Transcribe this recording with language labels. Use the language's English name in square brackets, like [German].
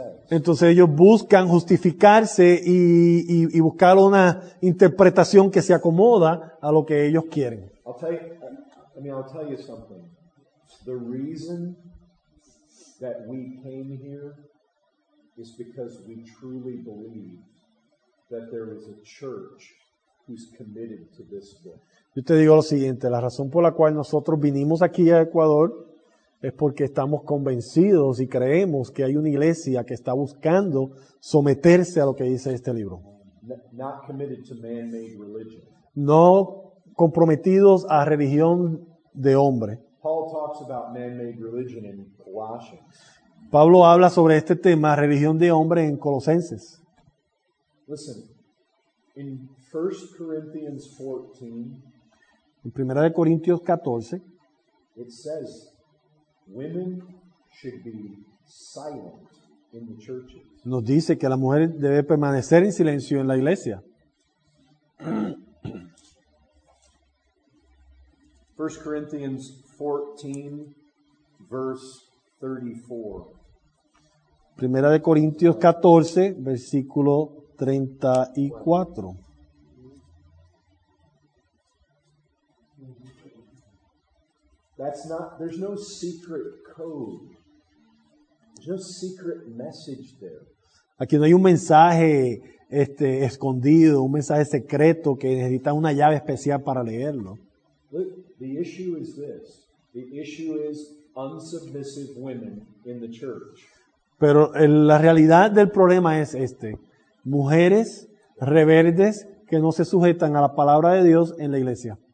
[Spanish] Entonces ellos buscan justificarse y buscar una interpretación que se acomoda a lo que ellos quieren. [English] I'll tell you something. The reason that we came here is because we truly believe that there is a church who's committed to this book. [Spanish] Yo te digo lo siguiente, la razón por la cual nosotros vinimos aquí a Ecuador es porque estamos convencidos y creemos que hay una iglesia que está buscando someterse a lo que dice este libro. [English] Not committed to man-made religion. [Spanish] No comprometidos a religión de hombre. [English] Paul talks about man-made religion in Colossians. [Spanish] Pablo habla sobre este tema, religión de hombre, en Colosenses. [English] Listen, in 1 Corinthians 14, [Spanish] en 1 Corintios 14, [English] it says, women should be silent in the churches. [Spanish] Nos dice que la mujer debe permanecer en silencio en la iglesia. [English] 1 Corinthians 14, verse 34. [Spanish] Primera de Corintios 14, versículo 34. [English] That's not, there's no secret code. There's no secret message there. [Spanish] Aquí no hay un mensaje escondido, un mensaje secreto que necesita una llave especial para leerlo. [English] Look, the issue is this. The issue is unsubmissive women in the church. [Spanish] Pero la realidad del problema es este. Mujeres rebeldes que no se sujetan a la palabra de Dios en la iglesia.